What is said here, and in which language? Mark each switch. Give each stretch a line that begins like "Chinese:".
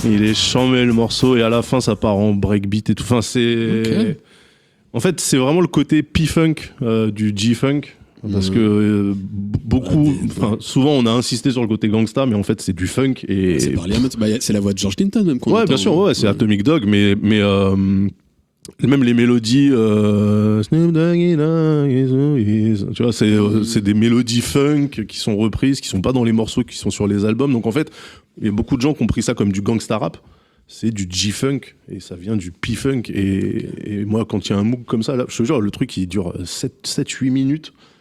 French: Il est chambé le morceau et à la fin ça part en breakbeat et tout. Enfin, c'est. Okay. En fait, c'est vraiment le côté P-Funk du G-Funk parce que beaucoup. Enfin, souvent on a insisté sur le côté gangsta, mais en fait c'est du funk et. C'est la voix de George Clinton même qu'on ouais, entend. Ouais, bien sûr, ouais, c'est ouais. Atomic Dog, mais. Même les mélodies.
English: Snoop Doggy Dogg is who he is.
French: Tu vois, c'est des mélodies funk qui sont reprises, qui sont pas dans les morceaux, qui sont sur les albums. Donc en fait, il y a beaucoup de gens qui ont pris ça comme du gangsta rap. C'est du G-Funk et ça vient du P-Funk. Et, okay. Et moi, quand il y a un Moog comme ça, là, je te jure, le truc il dure 7-8 minutes.